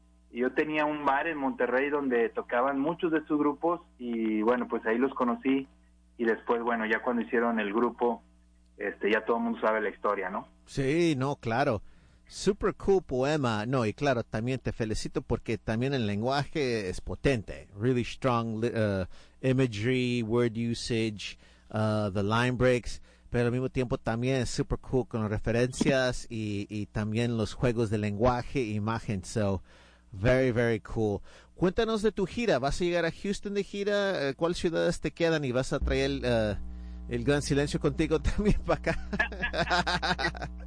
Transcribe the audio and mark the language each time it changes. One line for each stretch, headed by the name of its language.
Spanish: Yo tenía un bar en Monterrey donde tocaban muchos de sus grupos y bueno, pues ahí los conocí y después, bueno, ya cuando hicieron el grupo, ya todo el mundo sabe la historia, ¿no? Sí, no, claro.
English: Super cool
Spanish: poema. No, y claro, también te felicito porque también el lenguaje es potente.
English: Really strong imagery, word usage, the line breaks.
Spanish: Pero al mismo tiempo también es
English: super cool
Spanish: con las referencias y también los juegos de lenguaje e imagen.
English: So, very, very cool.
Spanish: Cuéntanos de tu gira. ¿Vas a llegar a Houston de gira? ¿Cuáles ciudades te quedan? ¿Y vas a traer el Gran Silencio contigo también para acá?